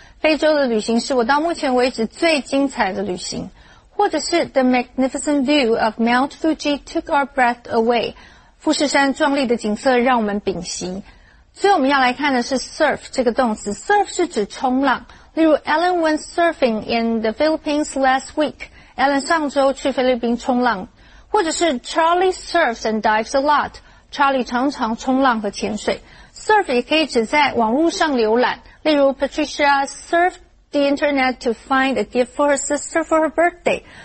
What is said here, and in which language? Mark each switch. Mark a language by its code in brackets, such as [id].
[zh] 非洲的旅行是我到目前为止最精彩的旅行。或者是 [en] The magnificent view of Mount Fuji took our breath away. [zh] 富士山壮丽的景色让我们屏息。所以我们要来看的是 surf 这个动词。surf 是指冲浪。例如 [en] Ellen went surfing in the Philippines last week. [zh] Ellen 上周去菲律宾冲浪。或者是 [en] Charlie surfs and dives a lot. Charlie [zh] 常常冲浪和潜水。 [en] Surf [zh] 也可以指在网络上浏览，例如 [en] Patricia surfed the internet to find a gift for her sister for her birthday.